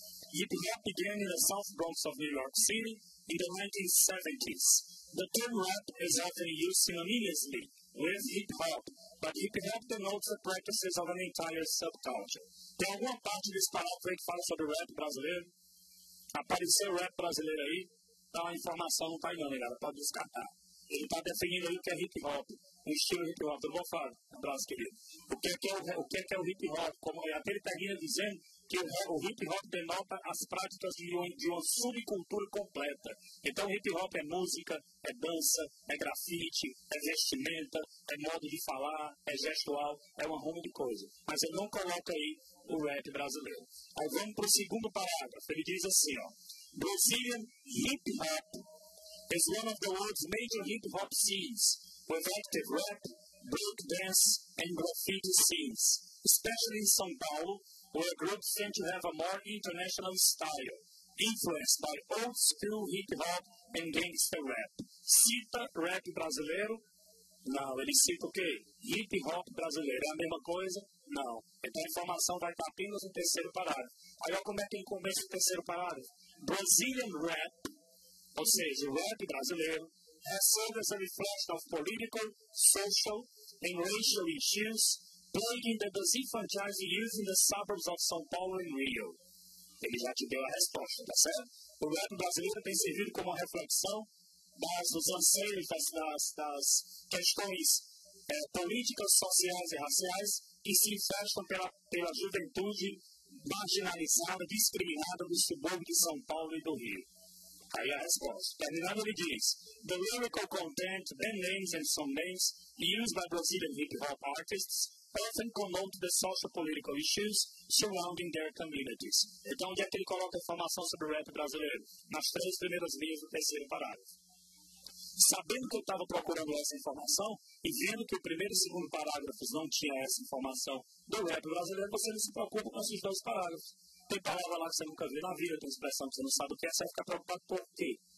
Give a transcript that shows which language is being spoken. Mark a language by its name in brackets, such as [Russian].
[English] Hip hop began in the South Bronx of New York City in the 1970s. The term rap is often used synonymously with hip hop, but hip hop denotes the practices of an entire subculture. [Portuguese] Tem alguma parte desse parágrafo que fala sobre o rap brasileiro? Apareceu o rap brasileiro aí? Dá uma informação, não tá aí, não, galera. Pode descartar. Ele tá definindo aí o que é hip hop. O estilo hip hop. Eu vou falar. Abraço, querido. O que é o hip hop? Como é? Até ele termina dizendo que o hip-hop denota as práticas de uma subcultura completa. Então, hip-hop é música, é dança, é grafite, é vestimenta, é modo de falar, é gestual, é uma ruma de coisa. Mas eu não coloco aí o rap brasileiro. Aí vamos para o segundo parágrafo. Ele diz assim, ó. [English] Brazilian hip-hop is one of the world's major hip-hop scenes, with active rap, breakdance, and graffiti scenes, especially in São Paulo, where groups tend to have a more international style, influenced by old-school hip-hop and gangster rap. [Portuguese] Cita rap brasileiro? Não, ele cita o quê? Hip-hop brasileiro. É a mesma coisa? Não. Então a informação vai estar apenas no terceiro parágrafo. Aí olha como é que começa o terceiro parágrafo. [English] Brazilian rap, [Portuguese] ou seja, rap brasileiro, [English] has served as a reflection of political, social, and racial issues, plaguing the disenfranchised youth in the suburbs of São Paulo and Rio. [Portuguese] Ele já te deu a resposta, tá certo? O rap brasileiro tem servido como uma reflexão dos anseios, das questões políticas, sociais e raciais que se infestam pela juventude marginalizada, discriminada do subúrbio de São Paulo e do Rio. Aí a resposta. Terminando, ele diz: [English] the lyrical content, band names and song names used by Brazilian hip hop artists often connote the socio-political issues surrounding their communities. [Portuguese] Então, onde é que ele coloca a informação sobre o rap brasileiro? Nas três primeiras linhas do terceiro parágrafo. Sabendo que eu estava procurando essa informação, e vendo que o primeiro e segundo parágrafos não tinha essa informação do rap brasileiro, você não se preocupa com esses dois parágrafos. Tem palavra lá que você nunca viu na vida, tem expressão que você não sabe o que é, você vai ficar preocupado por quê?